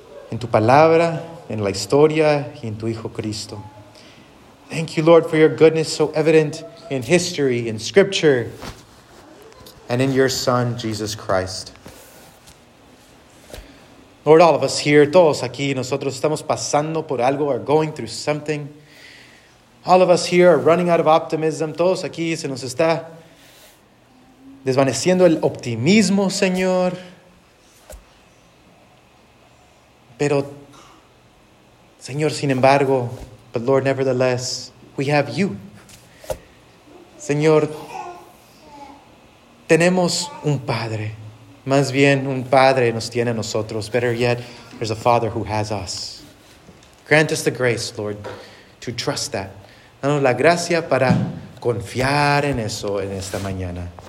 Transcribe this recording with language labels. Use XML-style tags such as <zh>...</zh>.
<es>En tu palabra, en la historia, y en tu Hijo Cristo.</es> <en>Thank you, Lord, for your goodness so evident in history, in scripture, and in your Son, Jesus Christ. Lord, all of us here,</en> <es>todos aquí, nosotros estamos pasando por algo,</es> <en>or going through something. All of us here are running out of optimism.</en> <es>Todos aquí se nos está desvaneciendo el optimismo, Señor. Pero, Señor, sin embargo, but Lord, nevertheless, we have you. Señor, tenemos un Padre. Más bien, un Padre nos tiene a nosotros.</es> <en>Better yet, there's a Father who has us. Grant us the grace, Lord, to trust that.</en> <es>Danos la gracia para confiar en eso en esta mañana.</es>